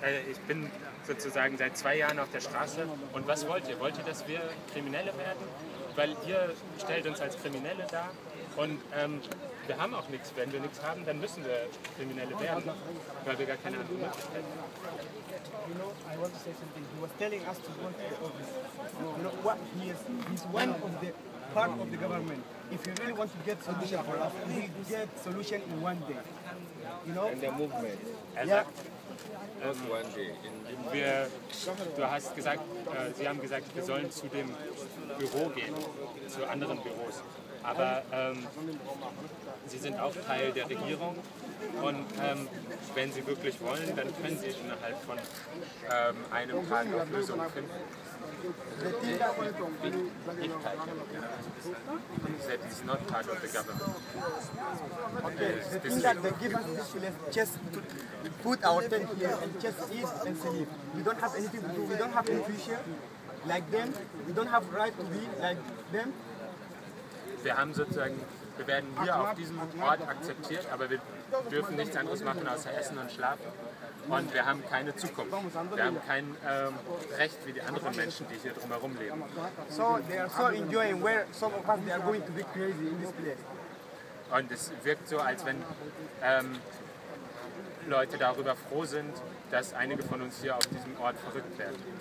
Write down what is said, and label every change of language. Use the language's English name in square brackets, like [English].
[German] Ich bin sozusagen seit 2 Jahren auf der Straße. Und was wollt ihr? Wollt ihr, dass wir Kriminelle werden? Weil ihr stellt uns als Kriminelle dar. Und wir haben auch nichts. Wenn wir nichts haben, dann müssen wir Kriminelle werden, weil wir gar keine andere Möglichkeit haben. [English] You know, I want to say something. He was telling us to go to the office. You know, what he is, he's one of the part of the government. If you really want to get solution for us, we get solution in 1 day. You know? In the movement. Not 1 day. [German] Sie haben gesagt, wir sollen zu dem Büro gehen, zu anderen Büros. Aber Sie sind auch Teil der Regierung und wenn Sie wirklich wollen, dann können Sie innerhalb von einem Tag eine Lösung finden. Ich teile das. [English] That is not part of the government. Okay. the thing that they give us is to just to put our tent here and just eat and sleep. We don't have anything to do. We don't have any future like them. We don't have right to be like them. [German] Wir haben sozusagen, wir werden hier auf diesem Ort akzeptiert, aber wir dürfen nichts anderes machen außer essen und schlafen. Und wir haben keine Zukunft. Wir haben kein Recht wie die anderen Menschen, die hier drumherum leben. [English] So, they are so enjoying where some of us they are going to be crazy in this place. [German] Und es wirkt so, als wenn Leute darüber froh sind, dass einige von uns hier auf diesem Ort verrückt werden.